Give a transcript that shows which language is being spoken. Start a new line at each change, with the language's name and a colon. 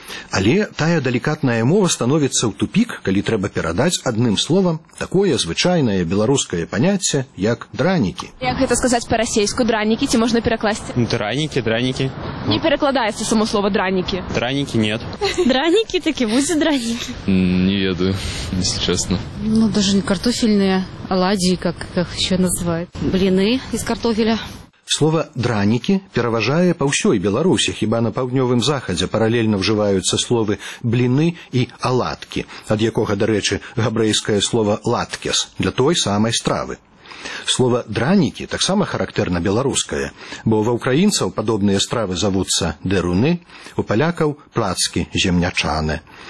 Belarusian: Але тая далікатная мова становіцца ў тупік, калі трэба перадаць адным словам такое звычайнае беларускае паняцце, як дранікі. Як гэта сказаць па-расейску? Дранікі, ці можна перакласці? Дранікі, дранікі. Не перакладаецца само слова дранікі.
Russian: Дранікі, нет.
Belarusian: Дранікі, такі будзе дранікі. Не ведаю,
Russian: если честно. Ну, даже не картофельныя аладзі, как их ещё называют. Бліны из картофеля.
Belarusian: Слово «дранікі» пераважае па ўсёй Беларусі, хіба на паўднёвым захадзе паралельна ўжываюцца словы «бліны» і «аладкі», ад якога, дарэчы, габрэйскае слова «латкес» для той самай стравы. Слово «дранікі» таксама характэрна беларускае, бо ва ўкраінцаў падобныя стравы завуцца «деруны», у палякаў «плацкі» «земнячане».